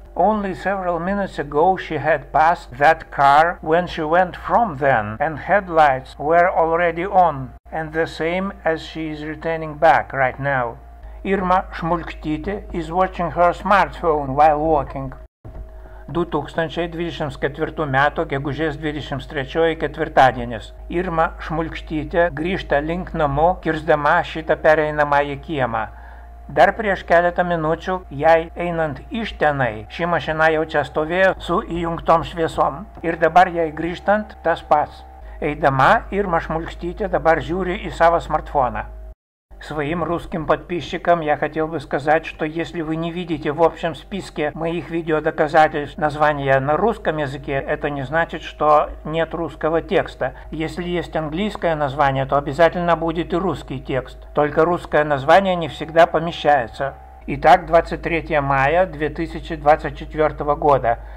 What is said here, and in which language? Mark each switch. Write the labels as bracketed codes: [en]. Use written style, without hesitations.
[en] Only several minutes ago she had passed that car when she went from then, and headlights were already on, and the same as she is returning back right now. Irma Schmulkstiete is watching her smartphone while walking. [lt] 2024 metų gegužės 23 ketvirtadienis. Irma Šmulkštytė grįžta link namo, kirsdama šitą pereinamąjį kiemą. Dar prieš keletą minučių, jai einant iš tenai, ši mašina jau čia stovėjo su įjungtom šviesom. Ir dabar jai grįžtant, tas pats. Eidama, Irma Šmulkštytė dabar žiūri į savo smartfoną. [ru] Своим русским подписчикам я хотел бы сказать, что если вы не видите в общем списке моих видеодоказательств названия на русском языке, это не значит, что нет русского текста. Если есть английское название, то обязательно будет и русский текст. Только русское название не всегда помещается. Итак, 23 мая 2024 года.